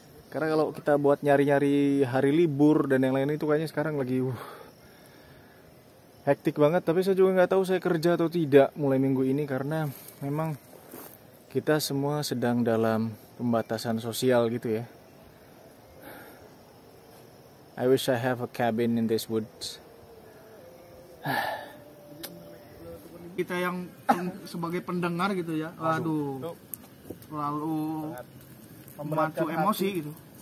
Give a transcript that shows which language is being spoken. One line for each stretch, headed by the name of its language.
Indonesian: Karena kalau kita buat nyari-nyari hari libur dan yang lain itu kayaknya sekarang lagi hektik banget, tapi saya juga nggak tahu saya kerja atau tidak mulai minggu ini karena memang kita semua sedang dalam pembatasan sosial gitu ya.
English: I wish I have a cabin in this woods.
Indonesian: Kita yang sebagai pendengar gitu ya, waduh, lalu memacu emosi gitu.